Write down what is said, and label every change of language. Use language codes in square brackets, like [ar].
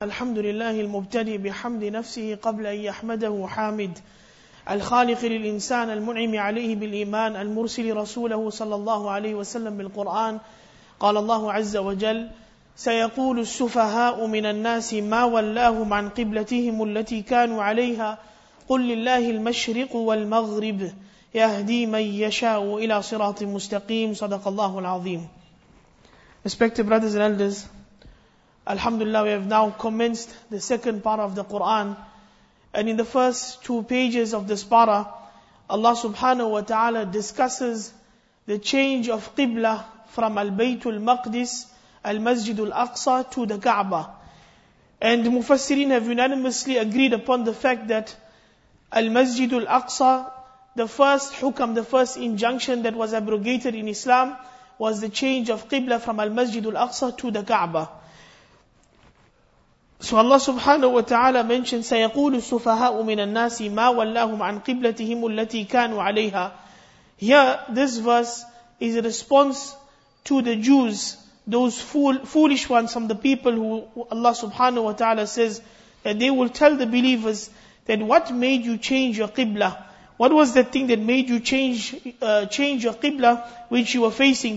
[ar] الحمد لله المبتدئ بحمد نفسه قبل أن يحمده حامد الخالق للإنسان المنعم عليه بالإيمان المرسل رسوله صلى الله عليه وسلم بالقرآن. قال الله عز وجل: سيقول السفهاء من الناس ما ولاهم عن قبلتهم التي كانوا عليها قل لله المشرق والمغرب يهدي من يشاء إلى صراط مستقيم. صدق الله العظيم. [en] Respected brothers and elders, Alhamdulillah, we have now commenced the second part of the Qur'an. And in the first two pages of this para, Allah subhanahu wa ta'ala discusses the change of Qibla from Al-Baytul Maqdis, Al-Masjid Al-Aqsa to the Kaaba. And Mufassirin have unanimously agreed upon the fact that Al-Masjid Al-Aqsa, the first hukam, the first injunction that was abrogated in Islam, was the change of Qibla from Al-Masjid Al-Aqsa to the Kaaba. So Allah subhanahu wa ta'ala mentioned, [ar] سَيَقُولُ السُّفَهَاءُ مِنَ النَّاسِ مَا وَلَّاهُمْ عَنْ قِبْلَتِهِمُ الَّتِي كَانُوا عَلَيْهَا. [en] Here, this verse is a response to the Jews, those foolish ones from the people who Allah subhanahu wa ta'ala says, that they will tell the believers that what made you change your qibla? What was the thing that made you change your qibla which you were facing?